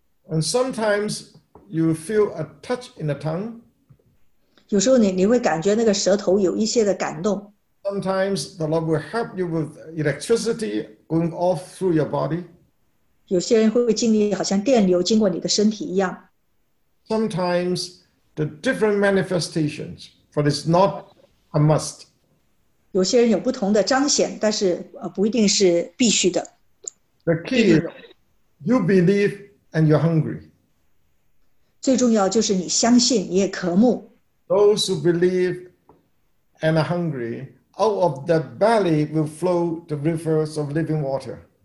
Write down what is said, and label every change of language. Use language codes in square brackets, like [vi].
[en] And sometimes you feel a touch in the tongue. [zh] 有时候你会感觉那个舌头有一些的感动。 [en] Sometimes the Lord will help you with electricity going off through your body. [zh] 有些人会经历好像电流经过你的身体一样。 [en] Sometimes the different manifestations, but it's not a must. [zh] 有些人有不同的彰显，但是不一定是必须的。 [en] The key is you believe and you're hungry. [zh] 最重要就是你相信，你也渴慕。 [en] Those who believe and are hungry, out of their belly will flow the rivers of living water.